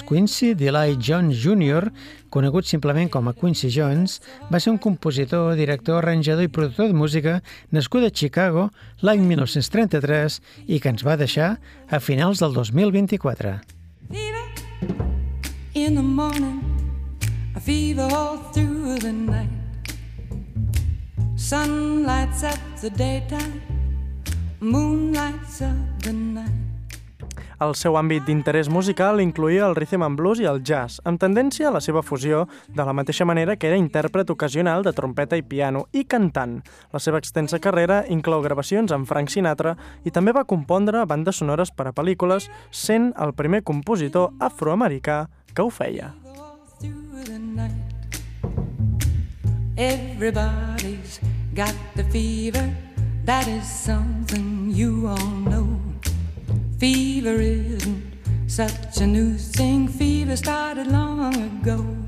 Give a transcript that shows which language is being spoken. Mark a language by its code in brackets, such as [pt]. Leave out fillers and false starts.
[ca] Quincy Delight Jones Jr., conegut simplement com a Quincy Jones, va ser un compositor, director, arranjador i productor de música nascut a Chicago l'any 1933 i que ens va deixar a finals del 2024. [en] Fever in the morning, a fever all through the night. Sun lights up the daytime, moon lights up the night. [ca] El seu àmbit d'interès musical incluïa el rhythm and blues i el jazz, amb tendència a la seva fusió, de la mateixa manera que era intèrpret ocasional de trompeta i piano i cantant. La seva extensa carrera inclou gravacions amb Frank Sinatra i també va compondre bandes sonores per a pel·lícules, sent el primer compositor afroamericà que ho feia. [en] Everybody's got the fever, that is something you all know. Fever isn't such a new thing, fever started long ago.